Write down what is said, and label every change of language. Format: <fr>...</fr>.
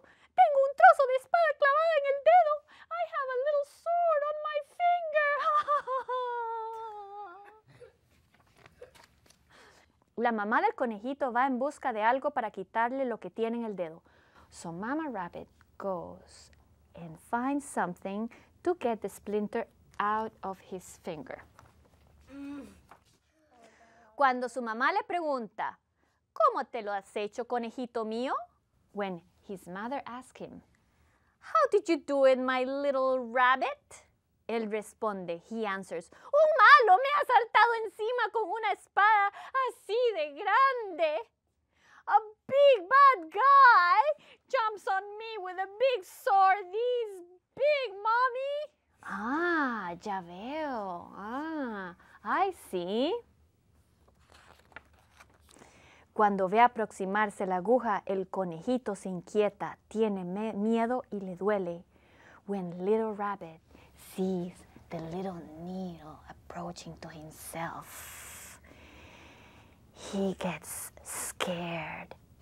<es>Tengo un trozo de espada clavada en el dedo.</es> <en>I have a little sword on my finger.</en> <es>La mamá del conejito va en busca de algo para quitarle lo que tiene en el dedo.</es> <en>So Mama Rabbit goes and finds something to get the splinter out of his finger.</en> <es>Cuando su mamá le pregunta, ¿cómo te lo has hecho, conejito mío?</es> <en>When his mother asks him, how did you do it, my little rabbit?</en> <es>Él responde,</es> <en>he answers,</en> <es>un malo me ha saltado encima con una espada así de grande.</es> <en>A big bad guy jumps on me with a big sword this big, mommy.</en> <es>Ah, ya veo.</es> <en>Ah, I see.</en> <es>Cuando ve aproximarse la aguja, el conejito se inquieta, tiene miedo y le duele.</es> <en>When little rabbit sees the little needle approaching to himself, he gets scared.</en>